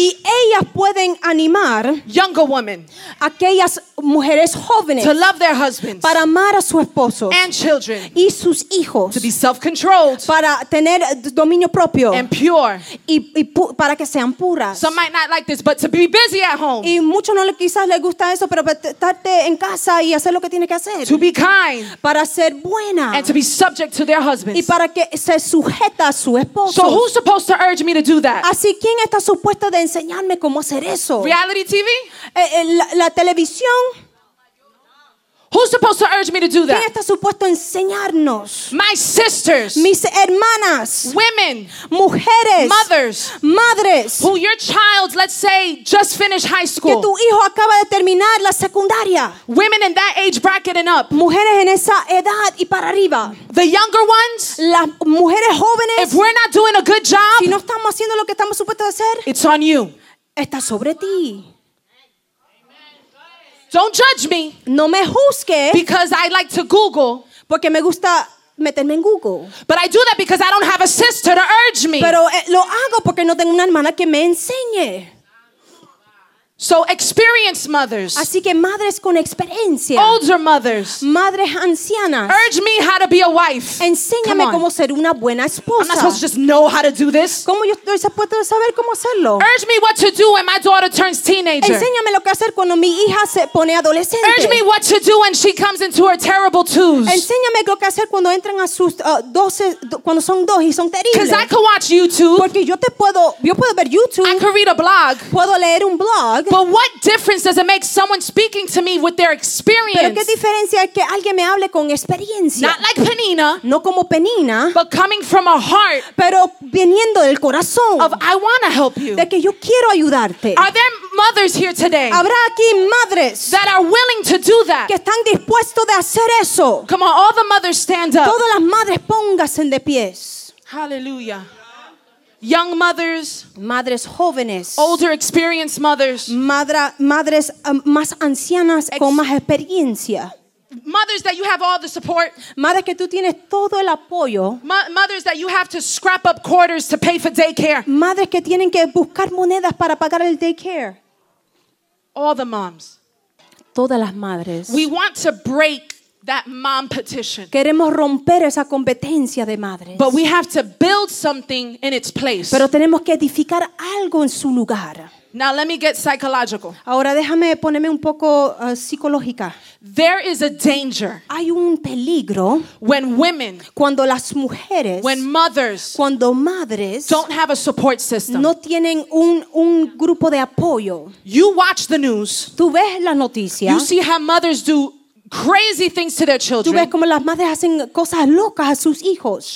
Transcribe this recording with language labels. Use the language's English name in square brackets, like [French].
[Spanish] y ellas pueden animar, [English] younger women, [Spanish] aquellas mujeres jóvenes, [English] to love their husbands, [Spanish] para amar a su esposo, [English] and children, [Spanish] y sus hijos, [English] to be self-controlled, [Spanish] para tener dominio propio, [English] and pure, [Spanish] y para que sean puras. [English] Some might not like this, but to be busy at home, [Spanish] y mucho no le quizás le gusta eso, pero estarte en casa y hacer lo que tiene que hacer, [English] to be kind, [Spanish] para ser buena, [English] and to be subject to their husbands, [Spanish] y para que se sujeta a su esposo. [English] So who's supposed to urge me to do that? [Spanish] Así, ¿quién está supuesto de enseñarme cómo hacer eso? [English] Reality TV? [Spanish] La televisión. [English] Who's supposed to urge me to do that? [Spanish] ¿Quién está supuesto enseñarnos? [English] My sisters. [Spanish] Mis hermanas. [English] Women. [Spanish] Mujeres. [English] Mothers. [Spanish] Madres. [English] Who your child, let's say, just finished high school. [Spanish] Que tu hijo acaba de terminar la secundaria. [English] Women in that age bracket and up. [Spanish] Mujeres en esa edad y para arriba. [English] The younger ones. [Spanish] Las mujeres jóvenes. [English] If we're not doing a good job. [Spanish] Si no estamos haciendo lo que estamos supuestos de hacer. [English] It's on you. [Spanish] Está sobre ti. [English] Don't judge me. [Spanish] No me juzgue. [English] Because I like to Google. [Spanish] Porque me gusta meterme en Google. [English] But I do that because I don't have a sister to urge me. [Spanish] Pero lo hago porque no tengo una hermana que me enseñe. [English] So experienced mothers. [Spanish] Así que madres con experiencia. [English] Older mothers. [Spanish] Madres ancianas. [English] Urge me how to be a wife. [Spanish] Enséñame cómo ser una buena esposa. [English] I'm not supposed to just know how to do this. [Spanish] ¿Cómo yo estoy supuesto saber cómo hacerlo? [English] Urge me what to do when my daughter turns teenager. [Spanish] Enséñame lo que hacer cuando mi hija se pone adolescente. [English] Urge me what to do when she comes into her terrible twos. [Spanish] Enséñame lo que hacer cuando entran a sus doce, cuando son dos y son terribles. [English] Because I can watch YouTube. [Spanish] Porque yo puedo ver YouTube. [English] I can read a blog. [Spanish] Puedo leer un blog. [English] But what difference does it make someone speaking to me with their experience? [Spanish] Pero qué diferencia es que alguien me hable con experiencia. [English] Not like Penina. [Spanish] No como Penina. [English] But coming from a heart. [Spanish] Pero viniendo del corazón. [English] Of I want to help you. [Spanish] De que yo quiero ayudarte. [English] Are there mothers here today? [Spanish] Habrá aquí madres. [English] That are willing to do that. [Spanish] Que están dispuestos de hacer eso. [English] Come on, all the mothers stand up. [Spanish] Todas las madres pónganse de pies. [English] Hallelujah. Young mothers, [Spanish] madres jóvenes, [English] older experienced mothers, [Spanish] madres más ancianas con más experiencia, [English] Mothers that you have all the support. [Spanish] Madres que tú tienes todo el apoyo. [English] Mothers that you have to scrap up quarters to pay for daycare. [Spanish] Madres que tienen que buscar monedas para pagar el daycare. [English] All the moms. [Spanish] Todas las madres. [English] We want to break that mom petition. [Spanish] Queremos romper esa competencia de madres. [English] But we have to build something in its place. [Spanish] Pero tenemos que edificar algo en su lugar. [English] Now let me get psychological. [Spanish] Ahora déjame ponerme un poco psicológica. [English] There is a danger. [Spanish] Hay un peligro. [English] When women, [Spanish] cuando las mujeres, [English] when mothers, [Spanish] cuando madres, [English] don't have a support system. [Spanish] No tienen un grupo de apoyo. [English] You watch the news. [Spanish] Tú ves la noticia. [English] You see how mothers do crazy things to their children. [Spanish] Tú ves como las madres hacen cosas locas a sus hijos.